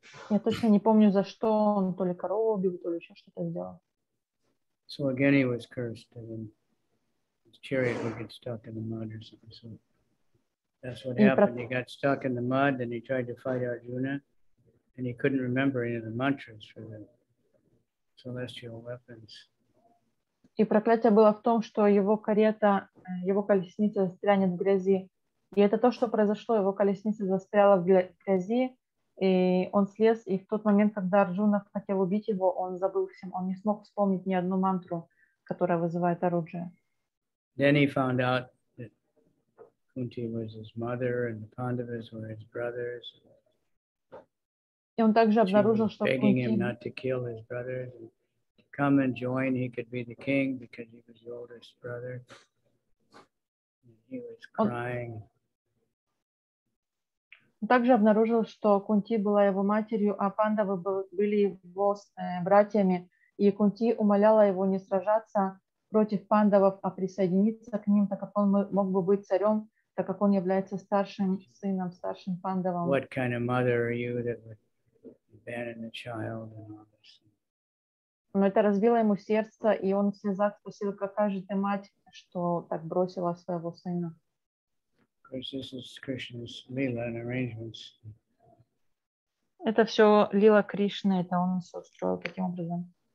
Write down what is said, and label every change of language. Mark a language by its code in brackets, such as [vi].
[ru] Я точно не помню, за что он то ли корову убил, то ли еще что-то сделал. [en] So again he was cursed, and then his chariot would get stuck in the mud or something. So that's what happened. He got stuck in the mud, and he tried to fight Arjuna, and he couldn't remember any of the mantras for the celestial weapons. [ru] И проклятие было в том, что его карета, его колесница застрянет в грязи. И это то, что произошло. Его колесница застряла в грязи, и он слез, и в тот момент, когда Арджуна хотел убить его, он забыл всем. Он не смог вспомнить ни одну мантру, которая вызывает оружие. [en] Then he found out that Kunti was his mother and the Pandavas were his brothers. [ru] И он также обнаружил, что Кунти... [en] Begging him not to kill his brothers and to come and join, he could be the king because he was the oldest brother. He was crying. [ru] Он также обнаружил, что Кунти была его матерью, а Пандавы были его братьями. И Кунти умоляла его не сражаться против Пандавов, а присоединиться к ним, так как он мог бы быть царем, так как он является старшим сыном, старшим Пандавом. [en] What kind of mother are you that would abandon a child and all this? [ru] Но это разбило ему сердце, и он в слезах спросил, какая же ты мать, что так бросила своего сына. [en] This is Krishna's lila and arrangements. [ru] Это все лила Кришны, это он все устроил таким образом.